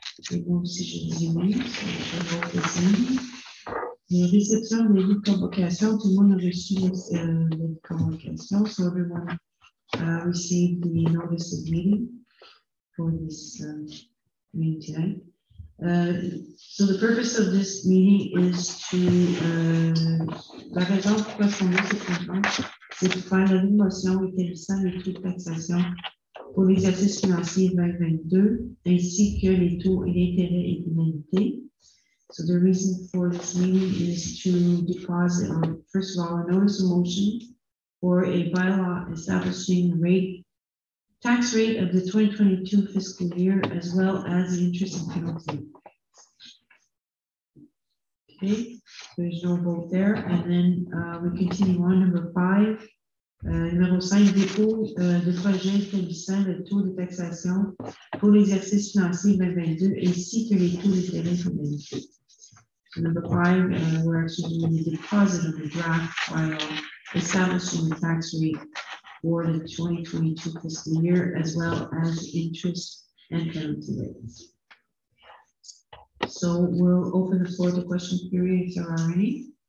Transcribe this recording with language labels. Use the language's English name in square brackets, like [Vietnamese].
[French] Et bon, si je dis oui, je vais vous le dire. Réception des lieux de convocation. Tout le monde a reçu les lieux de convocation. [English] So everyone received the notice of meeting for this meeting tonight. So the purpose of this meeting is to... [French] La raison pourquoi ce qu'on a, c'est qu'on a, c'est pour faire l'animation et établissant les taux de taxation pour l'exercice financier 2022, ainsi que les taux et l'intérêt et l'indemnité. [English] So the reason for this meeting is to deposit on, first of all, a notice of motion for a bylaw establishing the rate, tax rate of the 2022 fiscal year, as well as the interest and penalty. Okay, there's no vote there. And then we continue on, number five. [French] Numéro 5, dépôt de projet établissant le taux de taxation pour l'exercice financier 2022 ainsi que les taux de terrain pour l'unité. [English] So number 5, we're actually doing the deposit of the draft file establishing the tax rate for the 2022 fiscal year as well as interest and penalty rates. So we'll open the floor to question period if there are any.